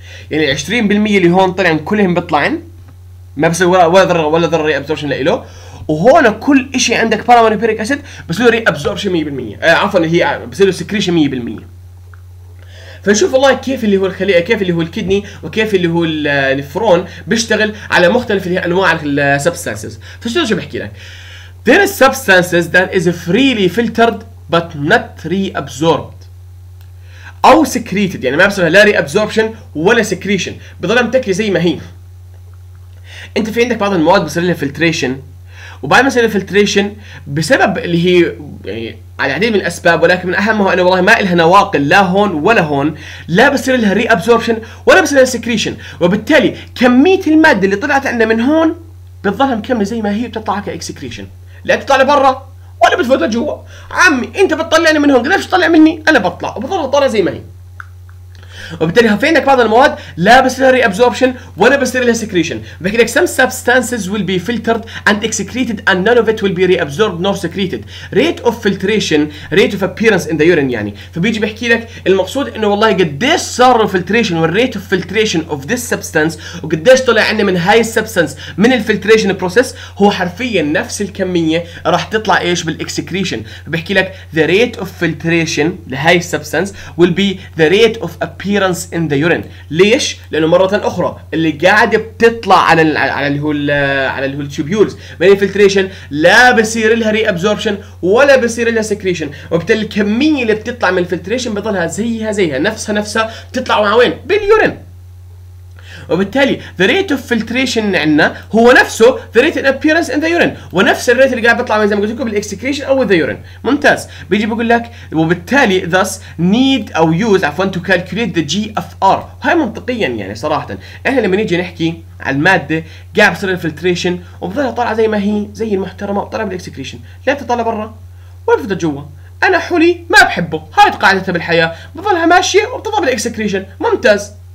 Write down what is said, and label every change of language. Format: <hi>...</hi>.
<ar>يعني 20% اللي هون طلعن كلهم بيطلعن ما بسوي ولا ذره ولا ذره ري ابزوربشن لإله، وهون كل شيء عندك بارا امينو هيبيوريك اسيد بس له ري ابزوربشن 100%، عفوا اللي هي بصير له سكريشن 100%. فنشوف والله كيف اللي هو الخليه كيف اللي هو الكدني وكيف اللي هو النفرون بيشتغل على مختلف اللي هي انواع السبستانسز. فشو بحكي لك؟</ar> <en>There is substances that is freely filtered but not reabsorbed.</en> <ar>او سكريتد، يعني ما بصير لها لا ريابزوربشن ولا سكريشن، بضلها متكله زي ما هي. انت في عندك بعض المواد بصير لها فلتريشن، وبعد ما يصير الفلتريشن بسبب اللي هي يعني على العديد من الاسباب، ولكن من اهمها انه والله ما لها نواقل لا هون ولا هون، لا بصير لها ري ابزوربشن ولا بصير لها سكريشن، وبالتالي كميه الماده اللي طلعت عندنا من هون بتظلها مكمله زي ما هي، بتطلع كاكسكريشن، لا بتطلع لبرا ولا بتفوت لجوا. عمي انت بتطلعني من هون، قديش تطلع مني انا بطلع، وبظلها طالعه زي ما هي. وبالتالي في عندك بعض المواد لا بصير لها ري ابزوربشن ولا بصير لها سكريشن، بحكي لك</ar> <en>some substances will be filtered and excreted and none of it will be reabsorbed nor secreted. Rate of filtration, rate of appearance in the urine يعني.</en> <ar>فبيجي بحكي لك المقصود انه والله قديش صار الفلتريشن والريت اوف فلتريشن اوف ذيس سبستانس، وقديش طلع عندنا من هاي السبستانس من الفلتريشن بروسيس، هو حرفيا نفس الكميه راح تطلع ايش بالاكسكريشن. بحكي لك</ar> <en>the rate of filtration</en> <ar>لهاي السبستانس</ar> <en>will be the rate of appearance in the urine.</en> <ar>ليش؟ لانه مره اخرى اللي قاعده بتطلع على اللي هو التوبيولز من الفلتريشن لا بصير لها ري ابزوربشن ولا بصير لها سكريشن، وبالتالي الكميه اللي بتطلع من الفلتريشن بضلها زيها زيها نفسها بتطلع مع وين؟ باليورين. وبالتالي</ar> <en>the rate of filtration</en> <ar>عندنا هو نفسه</ar> <en>the rate of appearance in the urine،</en> <ar>ونفس الريت اللي قاعد بيطلع زي ما قلت لكم بالاكسكريشن او</ar> <en>the urine.</en> <ar>ممتاز. بيجي بقول لك وبالتالي</ar> <en>thus need</en> <ar>او</ar> <en>use</en> <ar>عفوا</ar> <en>to calculate the GFR.</en> <ar>هاي منطقيا يعني صراحة احنا لما نيجي نحكي على المادة قاعد بصير الفلتريشن وبظلها طالعة زي ما هي زي المحترمة وطالعة بالاكسكريشن، لا بتطلع برا ولا بتطلع جوا، انا حلي ما بحبه، هاي قاعدتها بالحياة، بظلها ماشية وبتطلع بالاكسكريشن. ممتاز.</ar>